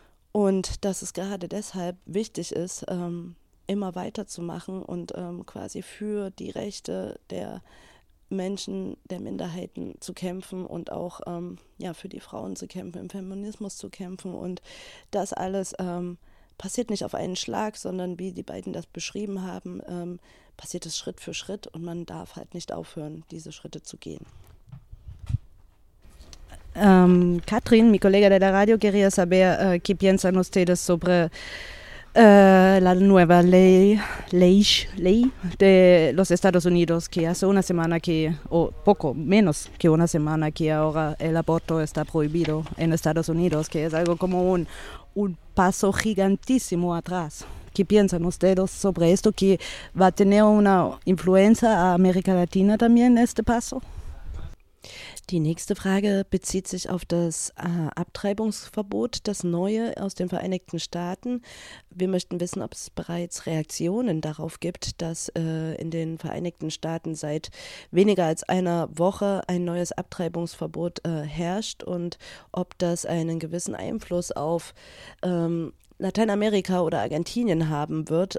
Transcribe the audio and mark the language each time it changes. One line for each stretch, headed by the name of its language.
German: Und dass es gerade deshalb wichtig ist, immer weiterzumachen und quasi für die Rechte der Menschen, der Minderheiten zu kämpfen und auch ja, für die Frauen zu kämpfen, im Feminismus zu kämpfen. Und das alles passiert nicht auf einen Schlag, sondern wie die beiden das beschrieben haben, passiert es Schritt für Schritt und man darf halt nicht aufhören, diese Schritte zu gehen.
Spanish: Katrin, mi colega de la radio, quería saber qué piensan ustedes sobre la nueva ley de los Estados Unidos, que hace una semana que, o poco menos que una semana, que ahora el aborto está prohibido en Estados Unidos, que es algo como un paso gigantísimo atrás. ¿Qué piensan ustedes sobre esto, que va a tener una influencia a América Latina también este paso?
German: Die nächste Frage bezieht sich auf das Abtreibungsverbot, das neue aus den Vereinigten Staaten. Wir möchten wissen, ob es bereits Reaktionen darauf gibt, dass in den Vereinigten Staaten seit weniger als einer Woche ein neues Abtreibungsverbot herrscht und ob das einen gewissen Einfluss auf Lateinamerika oder Argentinien haben wird.